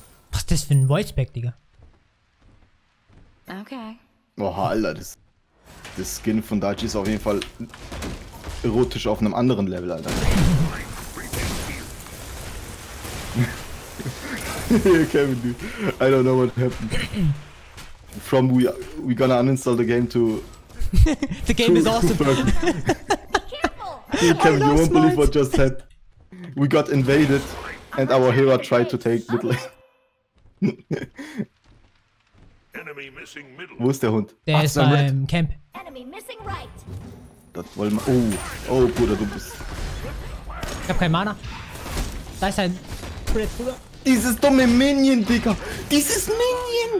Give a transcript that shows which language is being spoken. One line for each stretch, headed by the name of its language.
German: Was ist das für ein Voice Pack, Digga? Okay. Oha, Alter, das Skin von Daichi ist auf jeden Fall erotisch auf einem anderen Level, Alter.
English: Kevin, dude. I don't know what happened. From we gonna uninstall the game to the game is awesome. Hey, Kevin, you won't believe what just happened. We got invaded and our hero tried to take middle. Enemy missing middle.
German: Wo ist der Hund? Der ist beim Camp.
English: Enemy missing right.
German: Das wollen wir. Oh, oh Bruder, du bist. Ich hab kein Mana. Da ist ein Bullet, Bruder. Dieses dumme Minion, Digga! Dieses Minion!